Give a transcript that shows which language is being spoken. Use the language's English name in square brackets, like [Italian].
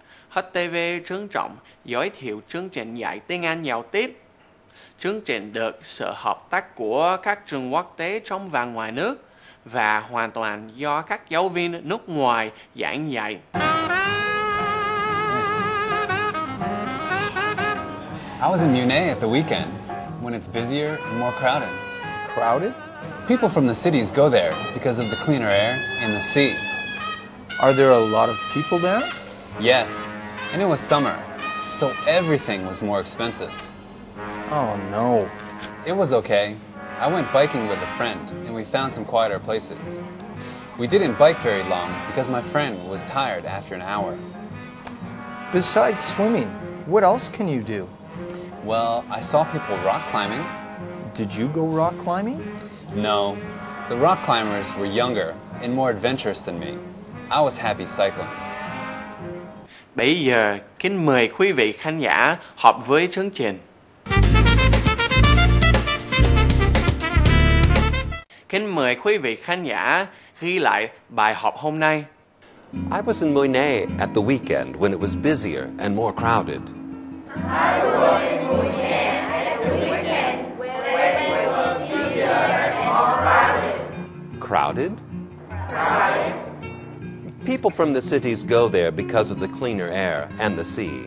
[Vietnamese] HTV trân trọng giới thiệu chương trình dạy tiếng Anh giao tiếp. Chương trình được sự hợp tác của các trường quốc tế trong và ngoài nước và hoàn toàn do các giáo viên nước ngoài giảng dạy. [English] I was in Munich at the weekend when it's busier and more crowded. Crowded? People from the cities go there because of the cleaner air and the sea. Are there a lot of people there? Yes, and it was summer, so everything was more expensive. Oh no. It was okay. I went biking with a friend and we found some quieter places. We didn't bike very long because my friend was tired after an hour. Besides swimming, what else can you do? Well, I saw people rock climbing. Did you go rock climbing? No. The rock climbers were younger and more adventurous than me. I was happy cycling. [Vietnamese] Bây giờ, kính mời quý vị khán giả họp với chương trình. Kính mời quý vị khán giả ghi lại bài học hôm nay. [English] I was in Munich at the weekend when it was busier and more crowded. Crowded? Crowded. People from the cities go there because of the cleaner air and the sea.